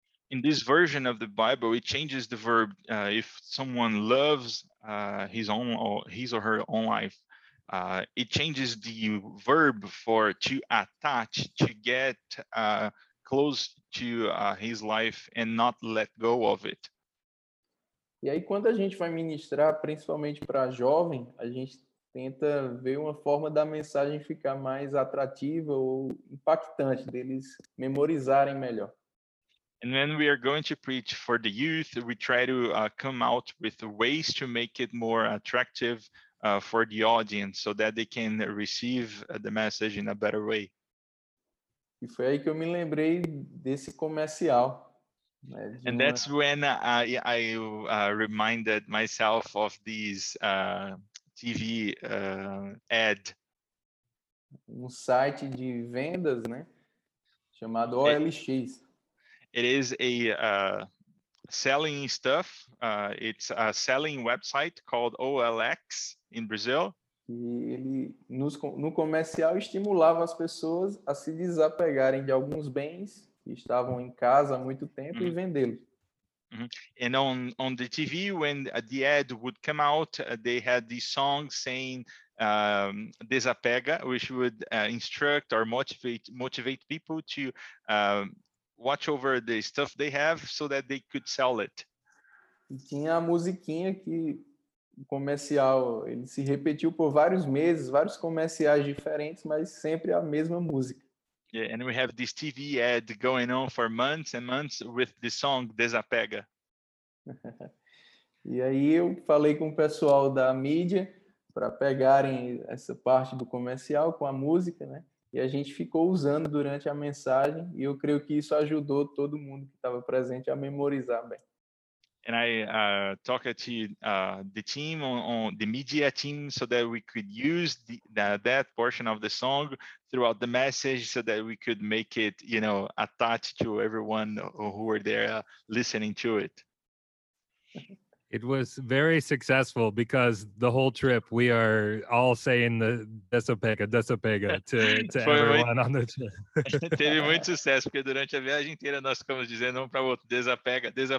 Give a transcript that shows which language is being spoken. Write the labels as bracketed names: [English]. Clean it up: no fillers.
[English] In this version of the Bible, it changes the verb if someone loves his or her own life. It changes the verb for to attach, to get close to his life and not let go of it. [Portuguese] E aí, quando a gente vai ministrar, principalmente para jovem, a gente tenta ver uma forma da mensagem ficar mais atrativa ou impactante, deles memorizarem melhor. [English] And when we are going to preach for the youth, we try to come out with ways to make it more attractive for the audience, so that they can receive the message in a better way. [Portuguese] E foi aí que eu me lembrei desse comercial. Né, [English] and that's when I reminded myself of this TV ad. [Portuguese] Site de vendas, né? Chamado OLX. [English] It is a selling stuff. It's a selling website called OLX in Brazil. [Portuguese] E ele no comercial estimulava as pessoas a se desapegarem de alguns bens que estavam em casa há muito tempo e vendê-los. Mm-hmm. [English] And on the TV, when the ad would come out, they had this song saying desapega, which would instruct or motivate people to watch over the stuff they have so that they could sell it. [Portuguese] E tinha a musiquinha que o comercial, ele se repetiu por vários meses, vários comerciais diferentes, mas sempre a mesma música. [English] Yeah, and we have this TV ad going on for months and months with the song Desapega. [Portuguese] E aí eu falei com o pessoal da mídia para pegarem essa parte do comercial com a música, né? E a gente ficou usando durante a mensagem, e eu creio que isso ajudou todo mundo que estava presente a memorizar bem. [English] And I talked to the team on the media team so that we could use that portion of the song throughout the message so that we could make it, you know, attached to everyone who were there listening to it. It was very successful because the whole trip, we are all saying the desapega to everyone on the trip. [Portuguese] Teve muito sucesso, porque durante a viagem inteira nós ficamos dizendo um para o outro, desapega.